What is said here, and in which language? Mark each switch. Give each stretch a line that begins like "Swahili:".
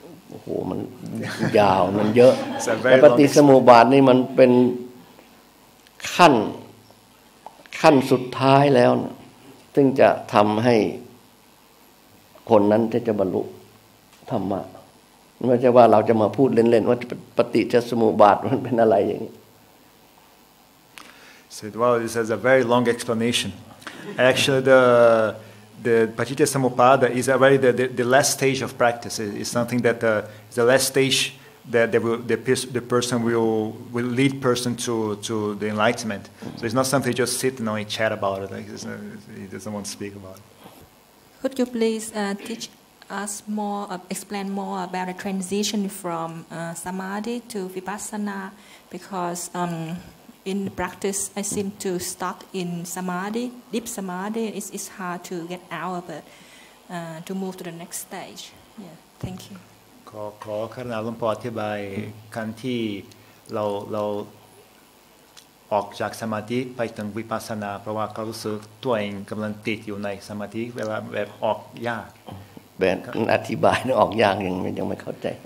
Thai: โอ้โหมันยาวมันเยอะปฏิสมุปบาทนี่มันเป็นขั้น ขั้นสุดท้ายแล้วซึ่งจะทำให้คนนั้นจะบรรลุธรรมะไม่ใช่ว่าเราจะมาพูดเล่นๆว่าปฏิจจสมุปบาทมันเป็นอะไรอย่างนี้
English: said well this has a very long explanation actually the patitasamuppada is already the last stage of practice is something that is the last stage that they will the person will lead person to the enlightenment so it's not something you just sit and only chat about it like he doesn't want to speak about it. Could you please teach us more explain more about the transition from samadhi to vipassana because in practice I seem to stuck in samadhi deep samadhi it's hard to get out of it to move to the next stage yeah thank you
Thai: ขอคณะหลวงพ่ออธิบายขั้นที่เราออกจากสมาธิไปถึงวิปัสสนาเพราะว่าเขารู้สึกตัวเองกำลังติดอยู่ในสมาธิเวลาแบบออกยาก แบบอธิบายออกยากยังไม่เข้าใจ